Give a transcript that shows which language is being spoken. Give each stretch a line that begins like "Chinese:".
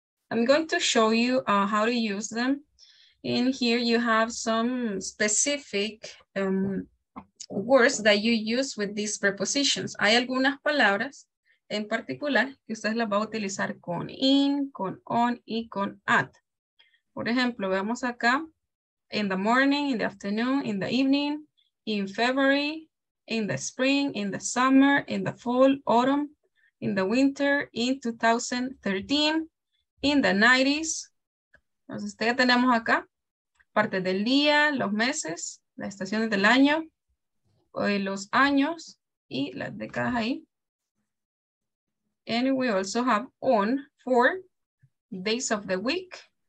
English: I'm going to show you how to use them. In here, you have some specific words that you use with these prepositions.
Spanish: Hay algunas palabras en particular que usted las va a utilizar con in, con on y con at. Por ejemplo, veamos acá,
English: in the morning, in the afternoon, in the evening, in February, in the spring, in the summer, in the fall, autumn, in the winter, in 2013, in the 90s.
Spanish: Entonces, ya tenemos acá parte del día, los meses, las estaciones del año, los años y las décadas ahí.
English: And we also have on for days of the week.